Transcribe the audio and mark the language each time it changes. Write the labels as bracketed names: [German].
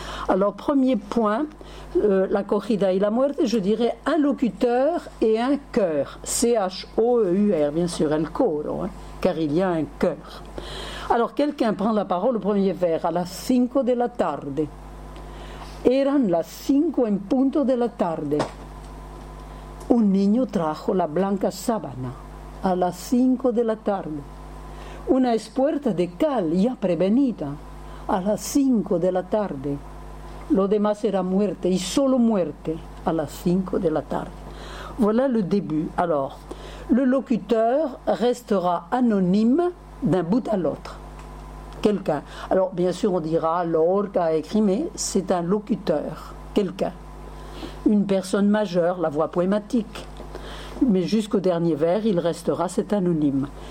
[French] Alors, premier point, la corrida y la muerte, je dirais un locuteur et un cœur. C-H-O-E-U-R, bien sûr, el coro, hein, car il y a un cœur. Alors, quelqu'un prend la parole au premier vers, à [Spanish] la 5 de la tarde. Eran las 5 en punto de la tarde. Un niño trajo la blanca sábana a las 5 de la tarde. Una espuerta de cal ya prevenida a las 5 de la tarde. Lo demás era muerte y solo muerte a las 5 de la tarde. [French] Voilà le début. Alors, le locuteur restera anonyme d'un bout à l'autre. Quelqu'un. Alors, bien sûr, on dira Lorca a écrit, mais c'est un locuteur, quelqu'un. Une personne majeure, la voix poématique. Mais jusqu'au dernier vers, il restera cet anonyme.